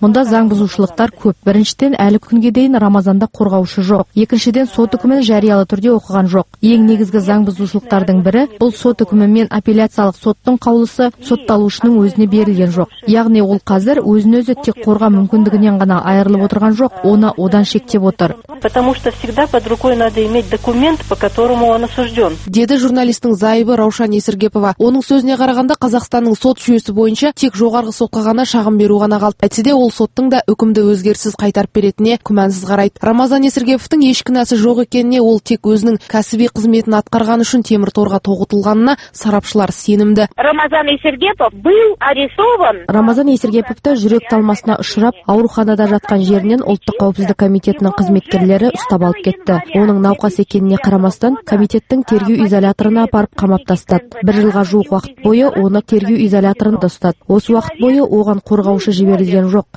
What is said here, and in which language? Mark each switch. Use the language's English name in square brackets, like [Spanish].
[Kazakh] Мұнда заң бұзушылықтар көп. Біріншіден, әлі күнге дейін Рамазанда қорғаушы жоқ. Екіншіден, сот үкімін жариялы түрде оқыған жоқ. Ең негізгі заң бұзушылықтардың бірі бұл сот үкімі мен апелляциялық соттың қаулысы сотталушының өзіне берілген жоқ. Яғни ол қазір өзін өзі тек қорға мүмкіндігінен ғана айырылып отырған жоқ, оны одан шектеп отыр. [Russian] Потому что всегда под рукой надо иметь документ, по которому он осужден. [Kazakh] Деді журналистің зайыбы Раушан Есіргепова. Оның сөзіне қарағанда Қазақстанның сот жүйесі бойынша тек жоғарғы сотқа ғана шағым беру ғана қалды. Әйтсе де ол соттың да үкімді өзгерсіз қайтарып беретініне күмәнсіз қарайды. Рамазан Есіргеповтің еш кінәсі жоқ екеніне ол тек өзінің кәсіби қызметін атқарғаны үшін темір торға тоғытылғанына сарапшылар сенімді. [Russian] Рамазан Есіргепов был арестован. [Kazakh] Рамазан Есіргеповті жүрек талмасына ұшырап, ауруханада жатқан жерінен ұлттық қауіпсіздік комитетінің қызметкерлері ұстап алып кетті. Оның науқас екеніне қарамастан, комитеттің тергеу изоляторына апарып қамап тастады. Бір жылға жуық уақыт бойы оны тергеу изоляторында ұстады. Осы уақыт бойы оған қорғаушы жіберілген жоқ.